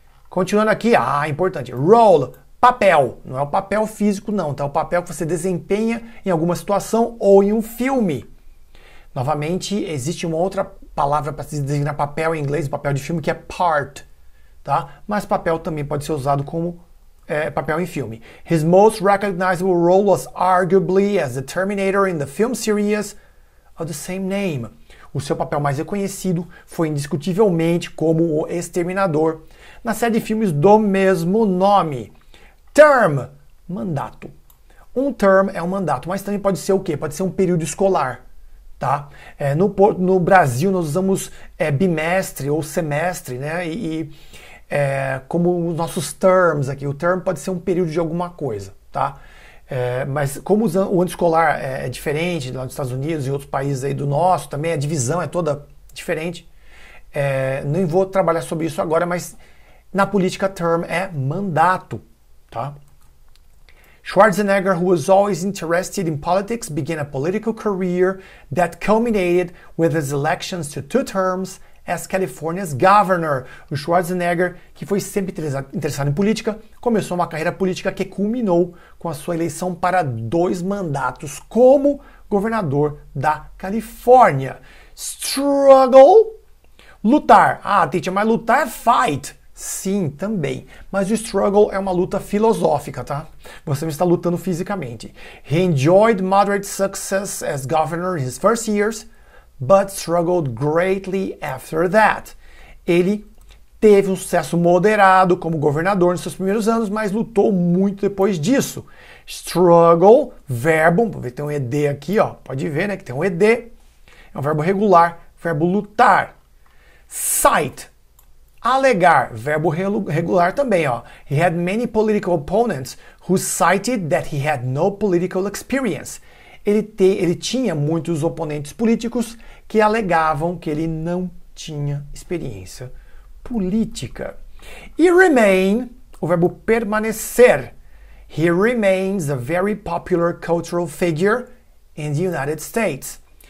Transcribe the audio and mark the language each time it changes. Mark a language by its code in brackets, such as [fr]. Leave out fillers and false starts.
[pt] Continuando aqui, importante, role, papel, não é o papel físico não, tá? O papel que você desempenha em alguma situação ou em um filme. Novamente, existe uma outra palavra para se designar papel em inglês, papel de filme, que é part, tá? Mas papel também pode ser usado como papel em filme. [en] His most recognizable role was arguably as the Terminator in the film series of the same name. [pt] O seu papel mais reconhecido foi indiscutivelmente como o Exterminador na série de filmes do mesmo nome. Term, mandato. Um term é um mandato, mas também pode ser o quê? Pode ser um período escolar, tá? No Brasil nós usamos bimestre ou semestre, né? E como os nossos terms aqui, o term pode ser um período de alguma coisa, tá? Mas como o ano escolar é diferente lá nos Estados Unidos e outros países aí do nosso, também a divisão é toda diferente, nem vou trabalhar sobre isso agora, mas na política term é mandato, tá? [en] Schwarzenegger, who was always interested in politics, began a political career that culminated with his elections to two terms as California's governor. [pt] O Schwarzenegger, que foi sempre interessado em política, começou uma carreira política que culminou com a sua eleição para dois mandatos como governador da Califórnia. Struggle? Lutar. Teacher, mas lutar é fight. Sim, também. Mas o struggle é uma luta filosófica, tá? Você não está lutando fisicamente. [en] He enjoyed moderate success as governor in his first years, but struggled greatly after that. [pt] Ele teve um sucesso moderado como governador nos seus primeiros anos, mas lutou muito depois disso. Struggle, verbo, vou ver, tem um ED aqui, ó. Pode ver, né, que tem um ED. É um verbo regular, verbo lutar. Cite, alegar, verbo regular também, ó. [en] He had many political opponents who cited that he had no political experience. [pt] Ele tinha muitos oponentes políticos que alegavam que ele não tinha experiência política. E remain, o verbo permanecer. [en] He remains a very popular cultural figure in the United States.